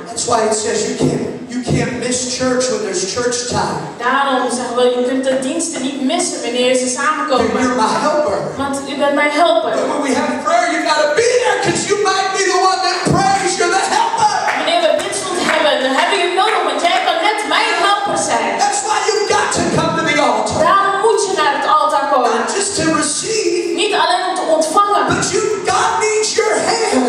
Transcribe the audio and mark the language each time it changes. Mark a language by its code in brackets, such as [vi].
[en] That's why it says you can't miss church when there's church time. [nl] Daarom zeggen we, je kunt de diensten niet missen wanneer ze samenkomen. [en] You're my helper. [nl] Want u bent mijn helper. [en] But when we have prayer, you gotta be there because you might be the one that prays. You're the helper. [nl] Wanneer we bidstond hebben, dan hebben we nodig, want jij kan net mijn helper zijn. [en] That's why you've got to come to the altar. [nl] Daarom moet je naar het altaar komen. [en] Not just to receive. [nl] Niet alleen om te ontvangen. [en] But you, God needs your hands.